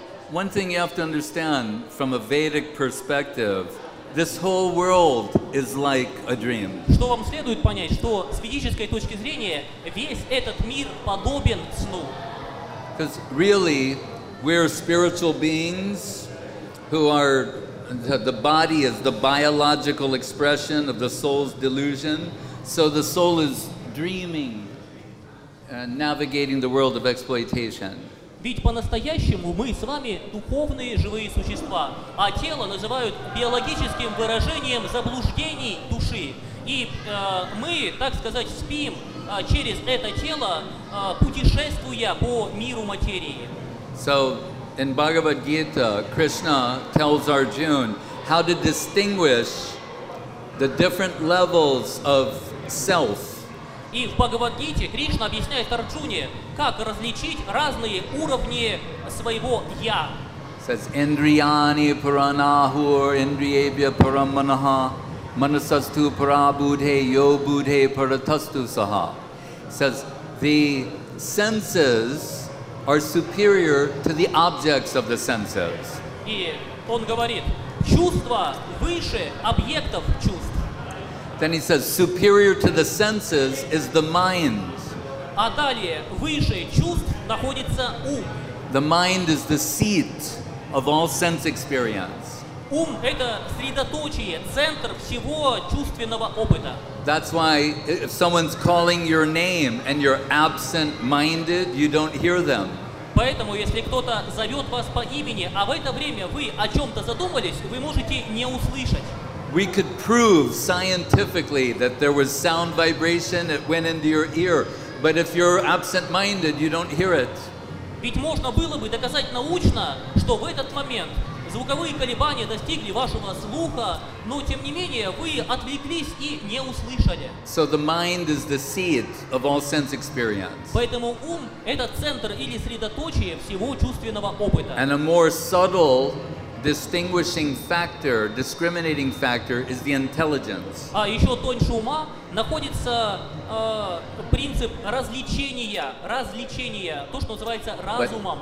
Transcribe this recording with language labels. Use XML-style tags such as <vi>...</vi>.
<en>One thing you have to understand from a Vedic perspective, this whole world is like a dream.</en> <ru>Что вам следует понять, что с ведической точки зрения весь этот мир подобен сну.</ru> <en>Because really, we're spiritual beings who are the body is the biological expression of the soul's delusion. So the soul is dreaming and navigating the world of exploitation.</en> <ru>Ведь по-настоящему мы с вами духовные живые существа, а тело называют биологическим выражением заблуждений души. И мы, так сказать, спим через это тело, путешествуя по миру материи.</ru> <en>So, in Bhagavad Gita, Krishna tells Arjuna how to distinguish the different levels of self.</en> <ru>И в Бхагавад-гите Кришна объясняет Арджуне, как различить разные уровни своего «я».</ru> <en>Says,</en> <sa>«Индрияни паранахур, индриебья параманаха, манасасту парабудхе, йобудхе паратасту саха».</sa> <en>Says, «The senses are superior to the objects of the senses».</en> <ru>И он говорит, «Чувства выше объектов чувств».</ru> <en>Then he says, superior to the senses is the mind.</en> <ru>А далее, выше чувств находится ум.</ru> <en>The mind is the seat of all sense experience.</en> <ru>Ум — это средоточие, центр всего чувственного опыта.</ru> <en>That's why if someone's calling your name and you're absent-minded, you don't hear them.</en> <ru>Поэтому, если кто-то зовет вас по имени, а в это время вы о чем-то задумались, вы можете не услышать.</ru> <en>We could prove scientifically that there was sound vibration, it went into your ear. But if you're absent-minded, you don't hear it.</en> <ru>Ведь можно было бы доказать научно, что в этот момент звуковые колебания достигли вашего слуха, но тем не менее вы отвлеклись и не услышали.</ru> <en>So the mind is the seat of all sense experience.</en> <ru>Поэтому ум — это центр или средоточие всего чувственного опыта.</ru> <en>And a more subtle distinguishing factor, discriminating factor is the intelligence.</en> <ru>А еще тоньше ума находится принцип различения, то, что называется разумом.</ru>